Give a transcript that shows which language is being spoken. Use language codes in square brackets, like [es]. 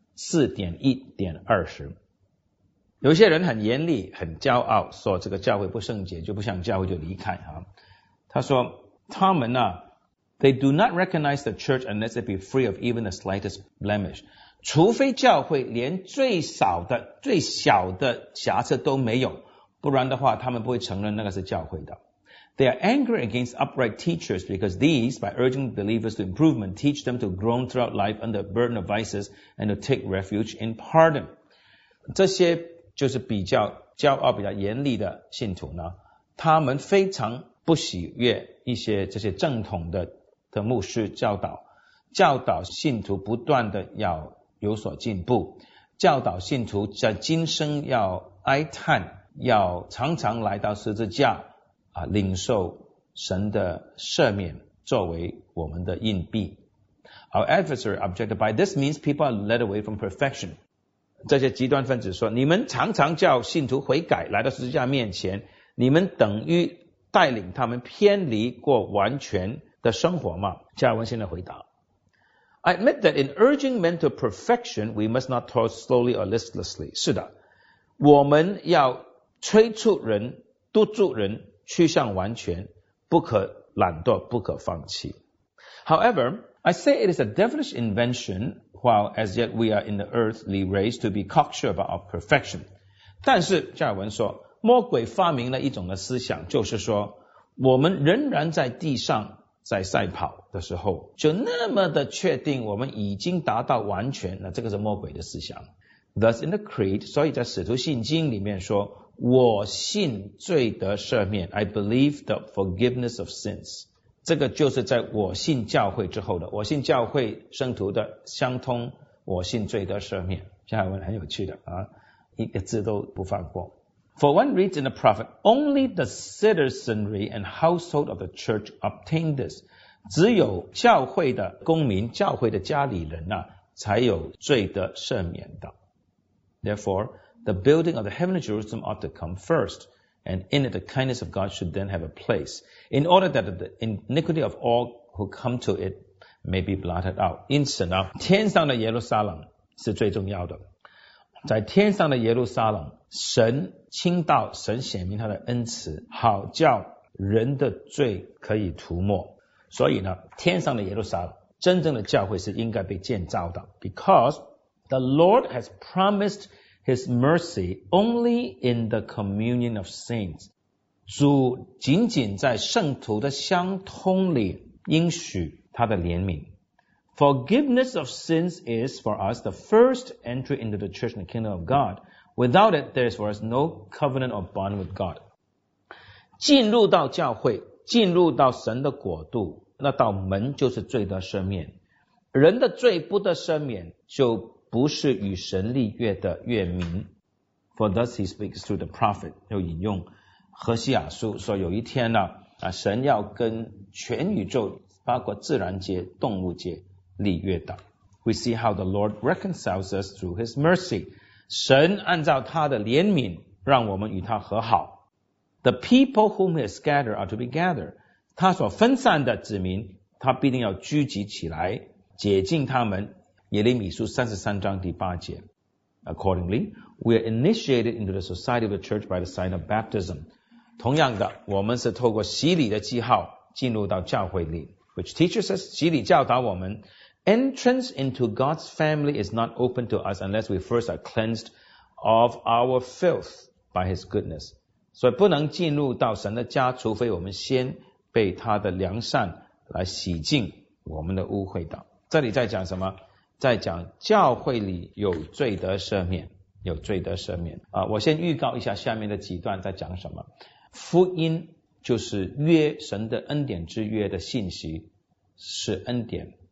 [zh] 4:1-20，有些人很严厉很骄傲，说这个教会不圣洁就不想教会就离开。他说他们呢 [en] They do not recognize the church unless it be free of even the slightest blemish， [zh] 除非教会连最少的最小的瑕疵都没有，不然的话他们不会承认那个是教会的。 [en] They are angry against upright teachers because these, by urging believers to improvement, teach them to groan throughout life under a burden of vices and to take refuge in pardon. [zh] 这些就是比较骄傲、比较严厉的信徒呢，他们非常不喜悦一些这些正统 的牧师教导，教导信徒不断的要有所进步，教导信徒在今生要哀叹，要常常来到十字架啊，领受神的赦免作为我们的硬币。 [en] Our adversary objected, by this means people are led away from perfection. [zh] 这些极端分子说，你们常常叫信徒悔改来到十字架面前，你们等于带领他们偏离过完全的生活吗？加尔文现在回答， [en] I admit that in urging men to perfection, we must not toil slowly or listlessly. [zh] 是的，我们要催促人、督促人趋向完全，不可懒惰，不可放弃。 [en] However, I say it is a devilish invention, while as yet we are in the earthly race, to be cocksure about our perfection. [zh] 但是加尔文说，魔鬼发明了一种的思想，就是说我们仍然在地上在赛跑的时候，就那么的确定我们已经达到完全，那这个是魔鬼的思想。 [en] Thus in the creed, [zh] 所以在使徒信经里面说，我信罪得赦免， [en] I believe the forgiveness of sins. [zh] 这个就是在我信教会之后的，我信教会圣徒的相通，我信罪得赦免。下一文很有趣的啊，一个字都不放过。 [en] For one reads in the prophet, only the citizenry and household of the church obtain this. [zh] 只有教会的公民、教会的家里人啊，才有罪得赦免的。 [en] Therefore, the building of the heavenly Jerusalem ought to come first, and in it the kindness of God should then have a place, in order that the iniquity of all who come to it may be blotted out. [zh] 因此呢，天上的耶路撒冷是最重要的。在天上的耶路撒冷，神倾倒，神显明他的恩慈，好叫人的罪可以涂抹。所以呢，天上的耶路撒冷，真正的教会是应该被建造的。 [en] Because the Lord has promised His mercy only in the communion of saints. [zh] 主仅仅在圣徒的相通里应许他的怜悯。 [en] Forgiveness of sins is for us the first entry into the church and the kingdom of God. Without it, there is for us no covenant or bond with God. [zh] 进入到教会，进入到神的国度，那道门就是罪得赦免。人的罪不得赦免，就不是与神立约的约民。 [en] For thus he speaks through the prophet, [zh] 又引用何西雅书，说有一天呢，神要跟全宇宙，包括自然界、动物界立约的。 [en] We see how the Lord reconciles us through his mercy. [zh] 神按照他的怜悯，让我们与他和好。 [en] The people whom he has scattered are to be gathered. [zh] 他所分散的子民，他必定要聚集起来，解禁他们。耶利米书三十三章第八节。 [en] Accordingly, we are initiated into the society of the church by the sign of baptism. [zh] 同样的，我们是透过洗礼的记号进入到教会里。 [en] Which teaches us, [zh] 洗礼教导我们， [en] entrance into God's family is not open to us unless we first are cleansed of our filth by His goodness. [zh] 所以不能进入到神的家，除非我们先被他的良善来洗净我们的污秽的。这里在讲什么？在讲教会里有罪得赦免，有罪得赦免。我先预告一下下面的几段在讲什么。福音就是约，神的恩典之约的信息是恩典。